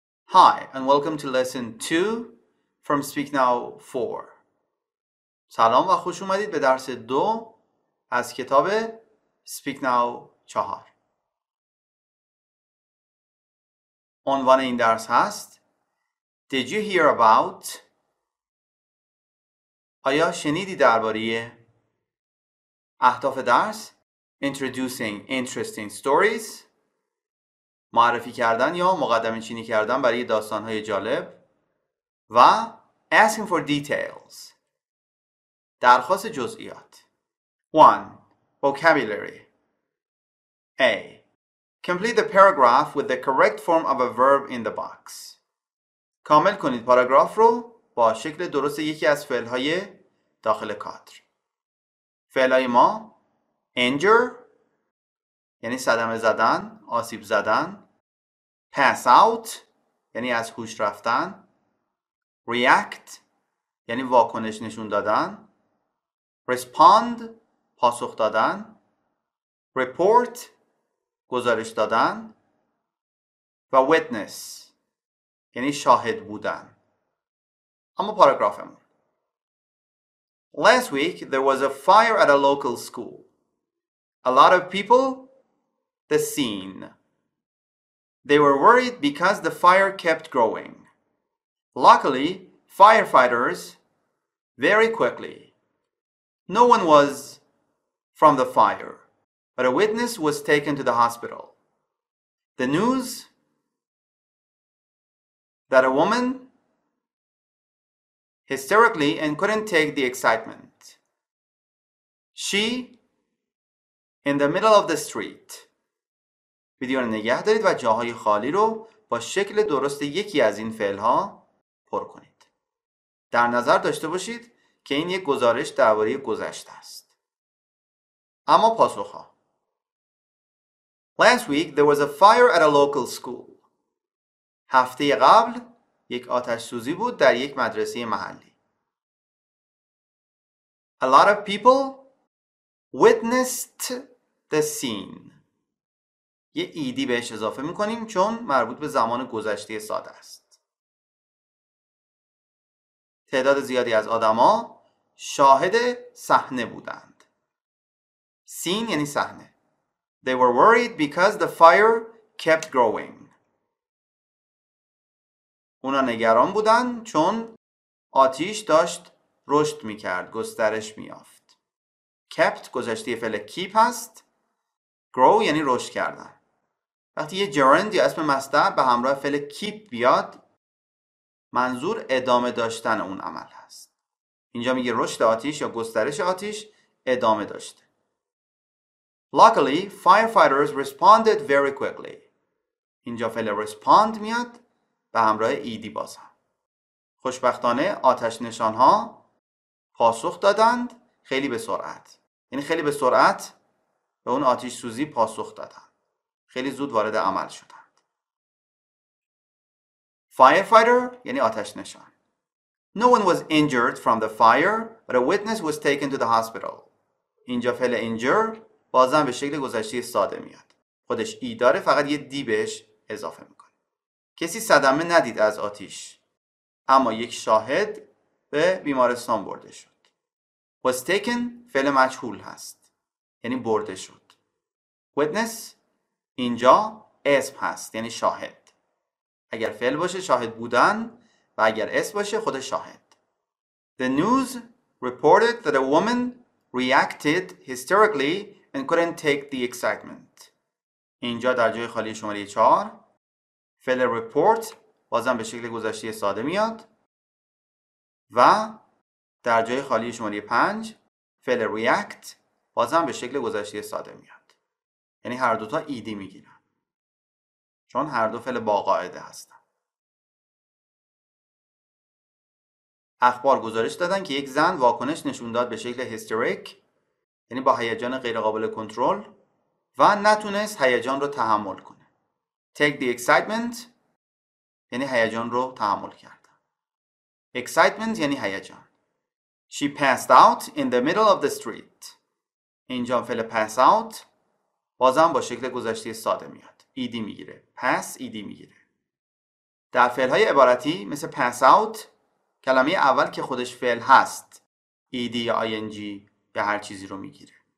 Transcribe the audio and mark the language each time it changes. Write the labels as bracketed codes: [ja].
[en] Hi, and welcome to lesson 2 from Speak Now 4. [fa] سلام و خوش اومدید به درس 2 از کتاب Speak Now 4. عنوان این درس هست [en] Did you hear about؟ [fa] آیا شنیدی درباره؟ اهداف درس [en] Introducing interesting stories، [fa] معرفی کردن یا مقدمه چینی کردن برای داستان‌های جالب و [en] asking for details، [fa] درخواست جزئیات. [en] 1. Vocabulary. A. Complete the paragraph with the correct form of a verb in the box. [fa] کامل کنید پاراگراف رو با شکل درست یکی از فعل‌های داخل کادر. فعل‌های ما injure یعنی صدمه زدن، آسیب زدن، pass out یعنی از هوش رفتن، react یعنی واکنش نشون دادن، respond پاسخ دادن، report گزارش دادن و witness یعنی شاهد بودن. اما پاراگرافمون. [en] Last week there was a fire at a local school. A lot of people, the scene. They were worried because the fire kept growing. Luckily, firefighters, very quickly. No one was from the fire, but a witness was taken to the hospital. The news that a woman hysterically and couldn't take the excitement. She, in the middle of the street. [fa] ویدیو رو نگه دارید و جاهای خالی رو با شکل درست یکی از این فعل‌ها پر کنید. در نظر داشته باشید که این یک گزارش درباره گذشته است. اما پاسخ‌ها. [en] Last week there was a fire at a local school. [fa] هفته قبل یک آتش سوزی بود در یک مدرسه محلی. [en] A lot of people witnessed the scene. [fa] یه ایدی بهش اضافه میکنیم چون مربوط به زمان گذشته ساده است. تعداد زیادی از آدم ها شاهد صحنه بودند. سین یعنی صحنه. [en] They were worried because the fire kept growing. [fa] اونا نگران بودند چون آتیش داشت رشد میکرد، گسترش میافت. Kept گذشته فعل keep هست. Grow یعنی رشد کردن. وقتی یه gerund یا اسم مصدر به همراه فعل keep بیاد، منظور ادامه داشتن اون عمل هست. اینجا میگه رشد آتیش یا گسترش آتیش ادامه داشته. [en] Luckily, firefighters responded very quickly. [fa] اینجا فعل respond میاد به همراه ED بازم. خوشبختانه آتش نشان ها پاسخ دادند خیلی به سرعت. یعنی خیلی به سرعت به اون آتیش سوزی پاسخ دادند. خیلی زود وارد عمل شدند. Firefighter یعنی آتش نشان. [en] No one was injured from the fire, but a witness was taken to the hospital. [fa] اینجا فعل injure بازم به شکل گذشته ساده میاد. خودش ای داره، فقط یه دی بهش اضافه میکنه. کسی صدمه ندید از آتیش، اما یک شاهد به بیمارستان برده شد. Was taken فعل مجهول هست، یعنی برده شد. Witness اینجا اسم هست، یعنی شاهد. اگر فعل باشه شاهد بودن و اگر اسم باشه خود شاهد. [en] The news reported that a woman reacted hysterically and couldn't take the excitement. [fa] اینجا در جای خالی شماره 4 فعل report بازم به شکل گذشته ساده میاد و در جای خالی شماره 5 فعل react بازم به شکل گذشته ساده میاد. یعنی هر دوتا ایدی میگیرن. چون هر دو فعل با قاعده هستن. اخبار گزارش دادن که یک زن واکنش نشون داد به شکل هیستریک، یعنی با هیجان غیر قابل کنترل، و نتونست هیجان رو تحمل کنه. [en] Take the excitement [fa] یعنی هیجان رو تحمل کردن. Excitement یعنی هیجان. [en] She passed out in the middle of the street. [fa] اینجا فعل pass out بازم با شکل گذشته ساده میاد. ایدی میگیره. Pass ایدی میگیره. در فعل‌های عبارتی مثل pass out کلمه اول که خودش فعل هست ایدی یا ing به هر چیزی رو میگیره.